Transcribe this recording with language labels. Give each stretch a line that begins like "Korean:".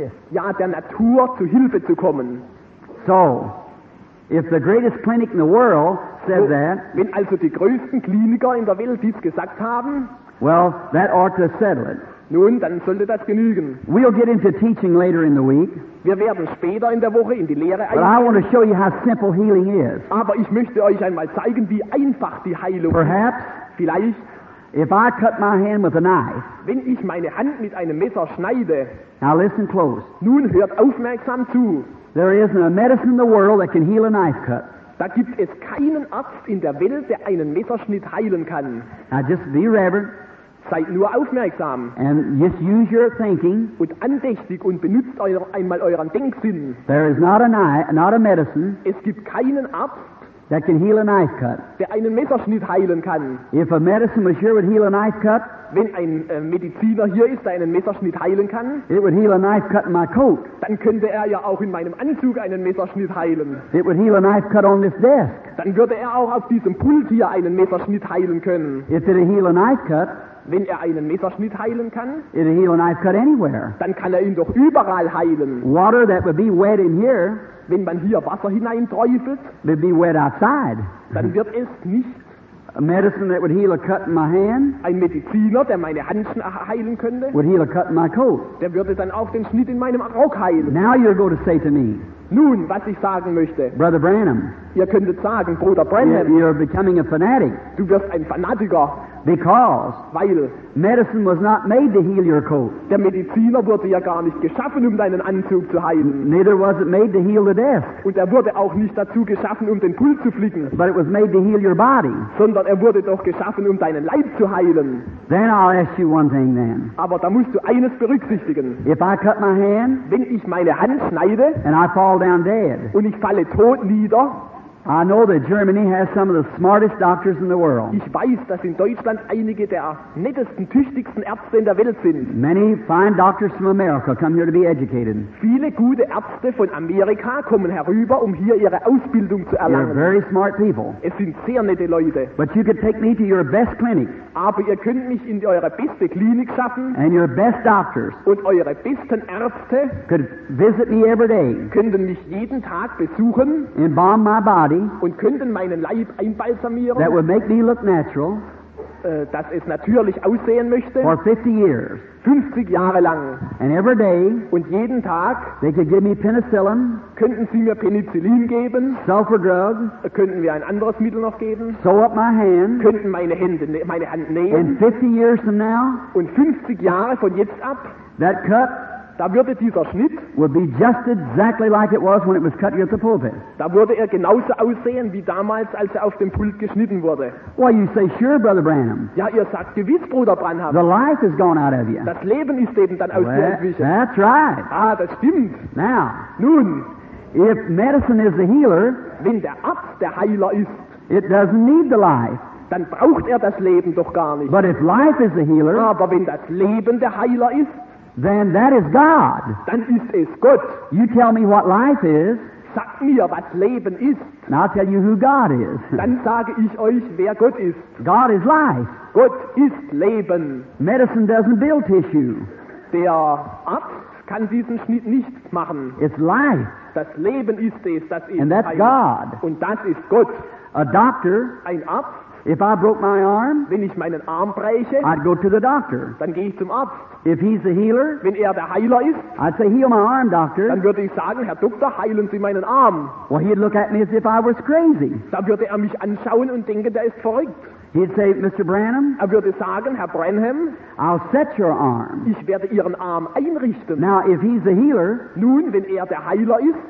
German: Ja, der Natur zu Hilfe zu kommen.
English: So, if the greatest clinic in the world says that.
German: Wenn also die größten Kliniker in der Welt dies gesagt haben.
English: Well, that ought to settle it.
German: Nun, dann sollte das genügen.
English: We'll get into teaching later in the week.
German: Wir werden später in der Woche in die Lehre eingehen.
English: But I want to show you how simple healing is.
German: Aber ich möchte euch einmal zeigen, wie einfach die Heilung.
English: Perhaps.
German: Vielleicht.
English: If I cut my hand with a knife.
German: Wenn ich meine Hand mit einem Messer schneide.
English: Now listen close.
German: Nun hört aufmerksam zu.
English: There isn't a medicine in the world that can heal a knife cut.
German: Da gibt es keinen Arzt in der Welt, der einen Messerschnitt heilen kann.
English: Now just be reverent.
German: Seid nur aufmerksam.
English: And just use your thinking.
German: Und andächtig und benutzt einmal euren Denksinn.
English: There is not a medicine.
German: Es gibt keinen Arzt.
English: That can heal a knife cut.
German: Der einen Messerschnitt heilen kann.
English: If a medicine was here would heal a knife cut.
German: Wenn ein Mediziner hier ist, der einen Messerschnitt heilen kann.
English: It would heal a knife cut in my coat.
German: Dann könnte er ja auch in meinem Anzug einen Messerschnitt heilen.
English: It would heal a knife cut on this desk.
German: Dann würde er auch auf diesem Pult hier einen Messerschnitt heilen können.
English: If it heal a knife cut.
German: Wenn er einen Messerschnitt heilen kann.
English: It would heal a knife cut anywhere.
German: Dann kann er ihn doch überall heilen.
English: Water that would be wet in here.
German: Wenn man hier Wasser hineinträufelt,
English: would be wet outside.
German: Dann wird es nicht.
English: A medicine that would heal a cut in my hand.
German: Ein Mediziner, der meine Hand heilen könnte.
English: Would heal a cut in my coat.
German: Der würde dann auch den Schnitt in meinem Rock heilen.
English: Now you're going to say to me.
German: Nun, was ich sagen möchte.
English: Brother Branham.
German: Ihr könntet sagen, Bruder Branham.
English: You're becoming a fanatic.
German: Du wirst ein Fanatiker.
English: Because.
German: Weil.
English: Medicine was not made to heal your coat.
German: Der Mediziner wurde ja gar nicht geschaffen, um deinen Anzug zu heilen.
English: Neither was it made to heal the desk.
German: Und er wurde auch nicht dazu geschaffen, um den Pult zu flicken.
English: But it was made to heal your body.
German: Sondern er wurde doch geschaffen, um deinen Leib zu heilen.
English: Then I'll ask you one thing then.
German: Aber da musst du eines berücksichtigen.
English: If I cut my hand.
German: Wenn ich meine Hand schneide.
English: And I fall down dead.
German: Und ich falle tot nieder.
English: I know that Germany has some of the smartest doctors in the world.
German: Ich weiß, dass in Deutschland einige der nettesten, tüchtigsten Ärzte in der Welt sind.
English: Many fine doctors from America come here to be educated.
German: Viele gute Ärzte von Amerika kommen herüber, um hier ihre Ausbildung zu erlangen.
English: They're very smart people.
German: Es sind sehr nette Leute.
English: But you could take me to your best clinic.
German: Aber ihr könnt mich in eure beste Klinik schaffen.
English: And your best doctors.
German: Und eure besten Ärzte.
English: Could visit me every day.
German: Könnten mich jeden Tag besuchen.
English: Embalm my body.
German: Und könnten meinen Leib einbalsamieren,
English: that would make me look natural,
German: dass es natürlich aussehen möchte,
English: for 50 years.
German: 50 Jahre lang.
English: And every day,
German: und jeden Tag,
English: they could give me penicillin,
German: könnten sie mir Penicillin geben,
English: sulfur drug,
German: könnten wir ein anderes Mittel noch geben,
English: sew up my hand,
German: könnten meine Hand nähen,
English: and 50 years from now,
German: und 50 Jahre von jetzt ab,
English: that cut,
German: da würde dieser Schnitt,
English: would be just exactly like it was when it was cut at the pulpit.
German: Da würde er genauso aussehen wie damals, als er auf dem Pult geschnitten wurde.
English: Why, you say, sure, Brother Branham.
German: Ja, ihr sagt gewiss, Bruder Branham.
English: The life has gone out of you.
German: Das Leben ist eben dann aus dir entwichen.
English: That's right.
German: Ah, das stimmt.
English: Now,
German: nun,
English: if medicine is the healer,
German: wenn der Arzt der Heiler ist,
English: it doesn't need the life.
German: Dann braucht er das Leben doch gar nicht.
English: But if life is the healer,
German: aber wenn das Leben der Heiler ist,
English: then that is God.
German: Dann ist es Gott.
English: You tell me what life is.
German: Sag mir, was Leben ist.
English: And I'll tell you who God is.
German: Dann sage ich euch, wer Gott ist.
English: God is life.
German: Gott ist Leben.
English: Medicine doesn't build tissue.
German: Der Arzt kann diesen Schnitt nicht machen.
English: It's life.
German: Das Leben ist es, das ist.
English: And that's God.
German: Und das ist Gott.
English: A doctor.
German: Ein Arzt.
English: If I broke my arm,
German: wenn ich meinen Arm breche,
English: I'd go to the doctor.
German: Dann gehe ich zum Arzt.
English: If he's the healer,
German: wenn er der Heiler ist,
English: I'd say, heal my arm, doctor.
German: Dann würde ich sagen, Herr Doktor, heilen Sie meinen Arm.
English: Well, he'd look at me as if I was crazy.
German: Dann würde er mich anschauen und denken, der ist verrückt.
English: He'd say, Mr. Branham,
German: er würde sagen, Herr Branham,
English: I'll set your arm.
German: Ich werde Ihren Arm einrichten.
English: Now, if he's the healer,
German: nun, wenn er der Heiler ist,